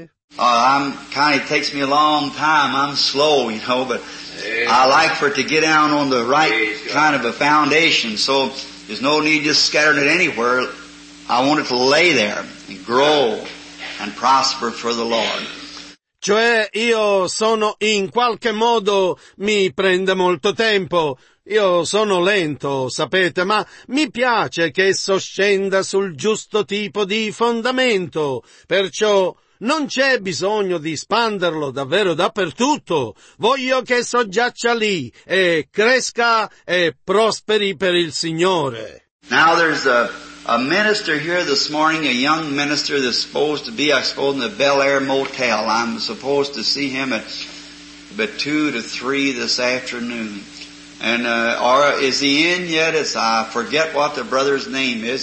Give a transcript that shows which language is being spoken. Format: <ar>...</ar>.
<en>It takes me a long time, I'm slow, you know, but I like for it to get down on the right kind of a foundation, so there's no need just scattering it anywhere. I want it to lay there and grow and prosper for the Lord.</en> <it>Cioè, io sono in qualche modo, mi prende molto tempo. Io sono lento, sapete, ma mi piace che esso scenda sul giusto tipo di fondamento. Perciò non c'è bisogno di spanderlo davvero dappertutto. Voglio che esso giaccia lì e cresca e prosperi per il Signore.</it> <en>Now there's a minister here this morning, a young minister that's supposed to be, I suppose, in the Bel Air Motel. I'm supposed to see him at about 2 to 3 this afternoon. And or is he in yet? I forget what the brother's name is.</en>